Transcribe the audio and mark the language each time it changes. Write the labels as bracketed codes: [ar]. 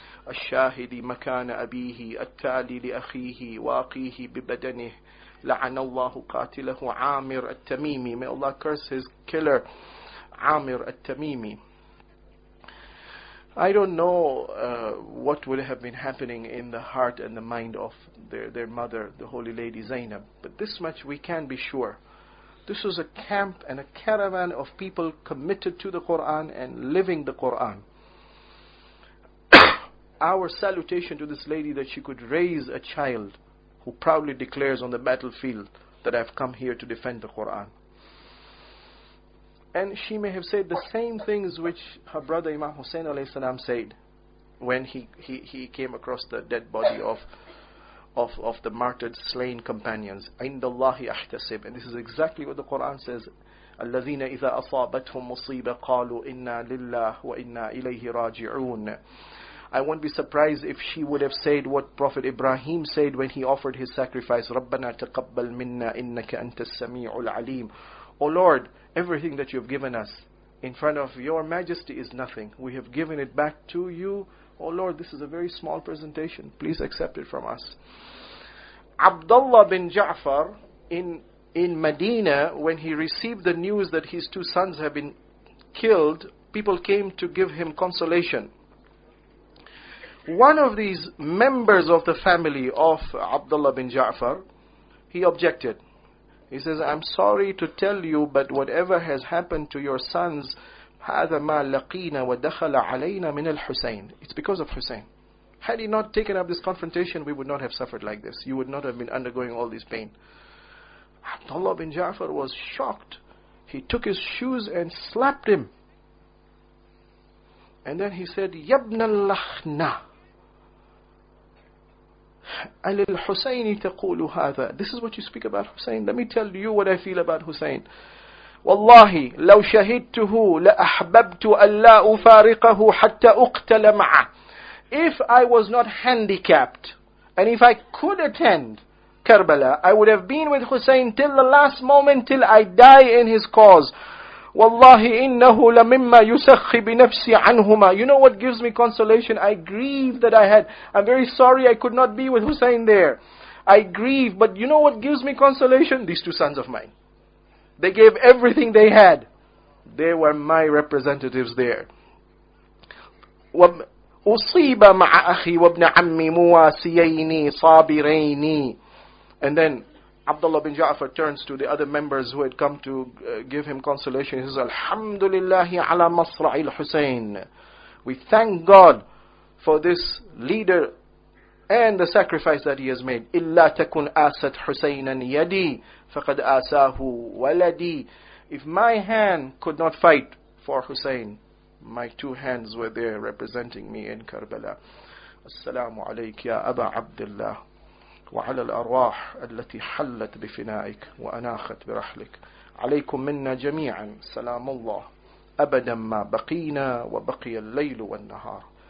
[ar] الشاهد مكان أبيه التالي لأخيه واقيه ببدنه لعن الله قاتله عامر التميمي. [en] May Allah curse his killer عامر التميمي. I don't know what would have been happening in the heart and the mind of their mother, the Holy Lady Zainab, but this much we can be sure: this was a camp and a caravan of people committed to the Quran and living the Quran. Our salutation to this lady that she could raise a child who proudly declares on the battlefield that I've come here to defend the Quran. And she may have said the same things which her brother Imam Hussein alayhi salam said when he came across the dead body of the martyred slain companions. [ar] عند الله أحتسب. [en] And this is exactly what the Quran says. [ar] الذين إذا أصابتهم مصيبة قالوا إنا لله وإنا إليه راجعون. [en] I won't be surprised if she would have said what Prophet Ibrahim said when he offered his sacrifice. [ar] رَبَّنَا تَقَبَّلْ مِنَّا إِنَّكَ أَنْتَ السَّمِيعُ الْعَلِيمُ. [en] O Lord, everything that you have given us in front of your majesty is nothing. We have given it back to you. O Lord, this is a very small presentation. Please accept it from us. Abdullah bin Ja'far in Medina, when he received the news that his two sons have been killed, people came to give him consolation. One of these members of the family of Abdullah bin Ja'far, he objected. He says, I'm sorry to tell you, but whatever has happened to your sons, [ar] هذا ما لقينا ودخل علينا من الحسين. [en] It's because of Hussein. Had he not taken up this confrontation, we would not have suffered like this. You would not have been undergoing all this pain. Abdullah bin Ja'far was shocked. He took his shoes and slapped him. And then he said, [ar] يَبْنَ اللَّحْنَا أَلِ الْحُسَيْنِ تَقُولُ هَذَا. [en] This is what you speak about Hussein. Let me tell you what I feel about Hussein. [ar] وَاللَّهِ لَوْ شَهِدْتُهُ لَأَحْبَبْتُ أَلَّا أُفَارِقَهُ حَتَّى أُقْتَلَ مَعَ. [en] If I was not handicapped, and if I could attend Karbala, I would have been with Hussein till the last moment, till I die in his cause. [ar] والله إنه لمما يسخي بنفسي عنهما. [en] You know what gives me consolation? I grieve that I'm very sorry I could not be with Hussein there. I grieve, but you know what gives me consolation? These two sons of mine. They gave everything they had. They were my representatives there. [ar] وأصيب مع أخي وابن عمي مواسيين صابرين. [en] And then Abdullah bin Ja'far turns to the other members who had come to give him consolation. He says, [ar] Alhamdulillahi ala masra'i al-Husayn. [en] We thank God for this leader and the sacrifice that he has made. [ar] Illa takun asat Husaynan yadi, faqad asahu waladi. [en] If my hand could not fight for Hussein, my two hands were there representing me in Karbala. [ar] Assalamu alayki ya Aba Abdullah. وعلى الأرواح التي حلت بفنائك وأناخت برحلك عليكم منا جميعا سلام الله أبدا ما بقينا وبقي الليل والنهار.